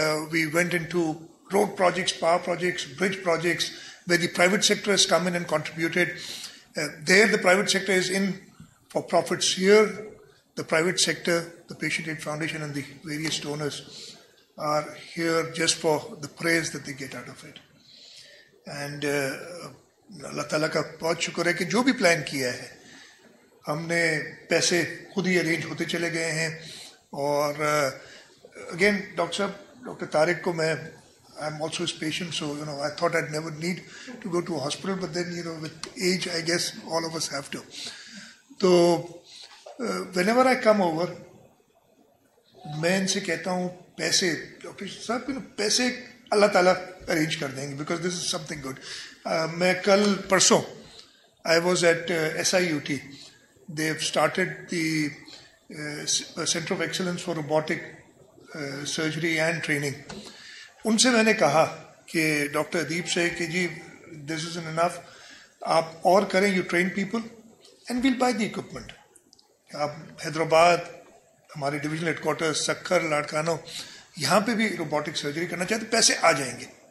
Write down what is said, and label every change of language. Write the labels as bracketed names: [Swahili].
[English] We went into road projects, power projects, bridge projects, where the private sector has come in and contributed. There the private sector is in for profits. Here the private sector, the Patient Aid Foundation and the various donors are here just for the praise that they get out of it. [Urdu] And اللہ تعالیٰ کا بہت شکر ہے کہ جو بھی plan کیا ہے ہم نے پیسے خود ہی ارینج ہوتے چلے گئے ہیں اور اگین ڈاکٹر صاحب ڈاکٹر طارق کو میں [English] I'm also his patient, so, you know, I thought I'd never need to go to a hospital, but then, you know, with age, I guess all of us have to. So, whenever I come over, [Urdu] main se kehta hu, [English] paise, doctor sahab, you know, [Urdu] paise Allah Ta'ala arrange kar denge, [English] because this is something good. [Urdu] Main kal parso, [English] I was at SIUT. They have started the Center of Excellence for Robotic Surgery and Training. [Urdu] ان سے میں نے کہا کہ doctor ادیب سے کہ جی [English] this is enough [Urdu] آپ اور کریں [English] you train people and will buy the equipment [Urdu] آپ حیدرآباد ہمارے ڈویژنل ہیڈ کوارٹر سکھر لاڑکانو یہاں پہ بھی روبوٹک سرجری کرنا چاہتے پیسے آ جائیں گے